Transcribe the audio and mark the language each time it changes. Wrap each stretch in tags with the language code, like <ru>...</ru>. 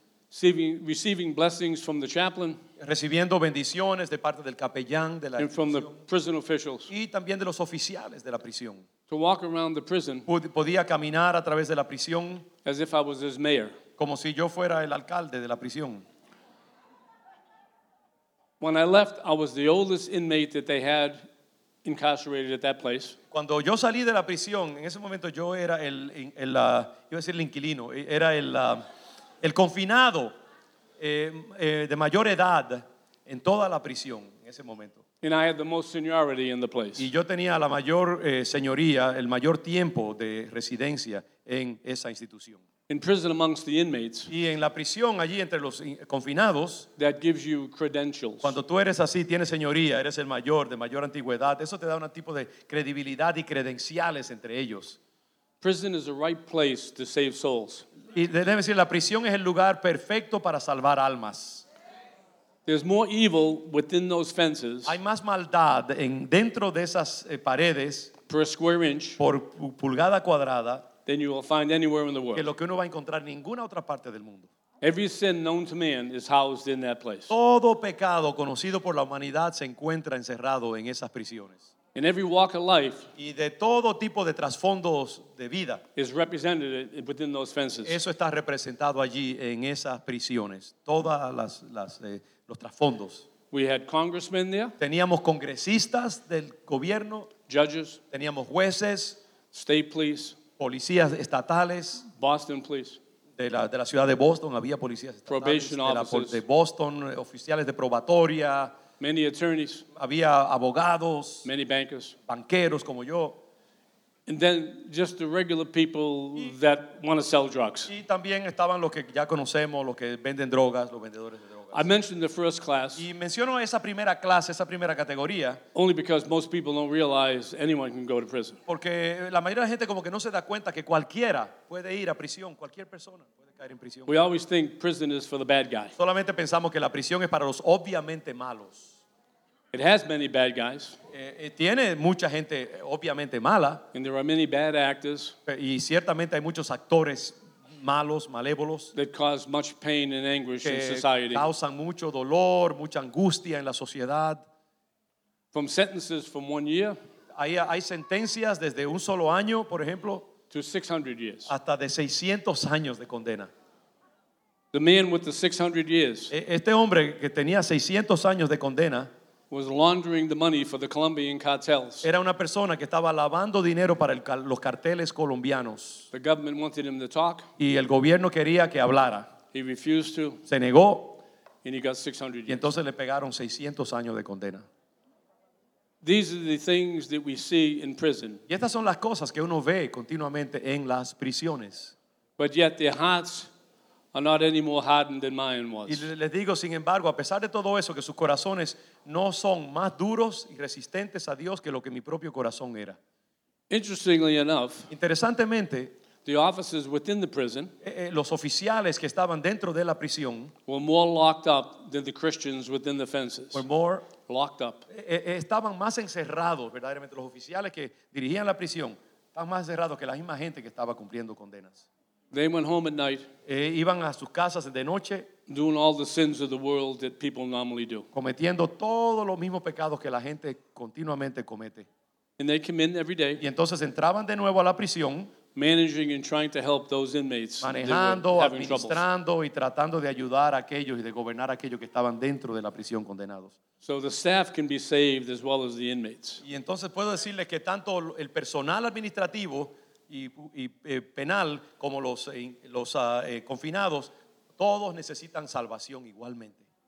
<en>Receiving blessings from the chaplain.</en> <es>Recibiendo bendiciones de parte del capellán de la prisión.</es> <en>And from the prison officials.</en> <es>Y también de los oficiales de la prisión.</es> <en>To walk around the prison.</en> <es>Podía caminar a través de la prisión.</es> <en>As if I was his mayor.</en> <es>Como si yo fuera el alcalde de la prisión.</es> <en>When I left, I was the oldest inmate that they had incarcerated at that place.</en> <es>Cuando yo salí de la prisión, en ese momento yo era el inquilino, era El confinado de mayor edad en toda la prisión en ese momento.</es> <en>And I had the most seniority in the place.</en> <es>Y yo tenía la mayor señoría, el mayor tiempo de residencia en esa institución.</es> <en>In prison amongst the inmates.</en> <es>Y en la prisión allí entre los confinados.</es> <en>That gives you credentials.</en> <es>Cuando tú eres así, tienes señoría, eres el mayor, de mayor antigüedad. Eso te da un tipo de credibilidad y credenciales entre ellos.</es> <en>Prison is the right place to save souls.</en> <es>Y debe decir, la prisión es el lugar perfecto para salvar almas.</es> <en>There's more evil within those fences.</en> <es>Hay más maldad dentro de esas paredes.</es> <en>Per square inch.</en> <es>Por pulgada cuadrada.</es> <en>Than you will find anywhere in the world.</en> <es>Que lo que uno va a encontrar en ninguna otra parte del mundo.</es> <en>Every sin known to man is housed in that place.</en> <es>Todo pecado conocido por la humanidad se encuentra encerrado en esas prisiones.</es> <en>In every walk of life.</en> <es>Y de todo tipo de trasfondos de vida.</es> <en>Is represented within those fences.</en> <es>Eso está representado allí en esas prisiones. Todas los trasfondos.</es> <en>We had congressmen there.</en> <es>Teníamos congresistas del gobierno.</es> <en>Judges.</en> <es>Teníamos jueces.</es> <en>State police.</en> <es>Policías estatales.</es> <en>Boston police.</en> <es>De la ciudad de Boston había policías estatales.</es> <en>Probation officers.</en> <es>De Boston, oficiales de probatoria.</es> <en>Many attorneys.</en> <es>Había abogados.</es> <en>Many bankers.</en> <es>Banqueros como yo.</es> <en>And then just the regular people that want to sell drugs.</en> <es>Y también estaban los que ya conocemos, los que venden drogas, los vendedores de drogas.</es> <en>I mentioned the first class.</en> <es>Y menciono esa primera clase, esa primera categoría.</es> <en>Only because most people don't realize anyone can go to prison.</en> <es>Porque la mayoría de la gente como que no se da cuenta que cualquiera puede ir a prisión, cualquier persona puede caer en prisión.</es> <en>We always think prison is for the bad guy.</en> <es>Solamente pensamos que la prisión es para los obviamente malos.</es> <en>It has many bad guys.</en> <es>Tiene mucha gente obviamente mala.</es> <en>And there are many bad actors.</en> <es>Y ciertamente hay muchos actores malos, malévolos.</es> <en>That cause much pain and anguish in society.</en> <es>Causan mucho dolor, mucha angustia en la sociedad.</es> <en>From sentences from 1 year.</en> <es>Hay sentencias desde un solo año, por ejemplo.</es> <en>To 600 years.</en> <es>Hasta de 600 años de condena.</es> <en>The man with the 600 years.</en> <es>Este hombre que tenía 600 años de condena.</es> <en>Was laundering the money for the Colombian cartels.</en> <es>Era una persona que estaba lavando dinero para los carteles colombianos.</es> <en>The government wanted him to talk.</en> <es>Y el gobierno quería que hablara.</es> <en>He refused to.</en> <es>Se negó.</es> <en>And he got 600 years.</en> <es>Y entonces le pegaron 600 años de condena.</es> <en>These are the things that we see in prison.</en> <es>Y estas son las cosas que uno ve continuamente en las prisiones.</es> <en>But yet their hearts are not any more hardened than mine was.</en> <es>Y les digo, sin embargo, a pesar de todo eso, que sus corazones no son más duros y resistentes a Dios que lo que mi propio corazón era.</es> <en>Interestingly enough,</en> <es>interesantemente,</es> <en>the officers within the prison,</en> <es>los oficiales que estaban dentro de la prisión,</es> <en>were more locked up than the Christians within the fences. Were more locked up.</en> <es>Estaban más encerrados, verdaderamente, los oficiales que dirigían la prisión, estaban más encerrados que la misma gente que estaba cumpliendo condenas.</es> <en>They went home at night.</en> <es>Iban a sus casas de noche.</es> <en>Doing all the sins of the world that people normally do.</en> <es>Cometiendo todos los mismos pecados que la gente continuamente comete.</es> <en>And they came in every day.</en> <es>Y entonces entraban de nuevo a la prisión.</es> <en>Managing and trying to help those inmates.</en> <es>Manejando, administrando y tratando de ayudar a aquellos y de gobernar a aquellos que estaban dentro de la prisión condenados.</es> <en>So the staff can be saved as well as the inmates.</en> <es>Y entonces puedo decirles que tanto el personal administrativo y penal como los confinados, todos necesitan salvación igualmente.</es>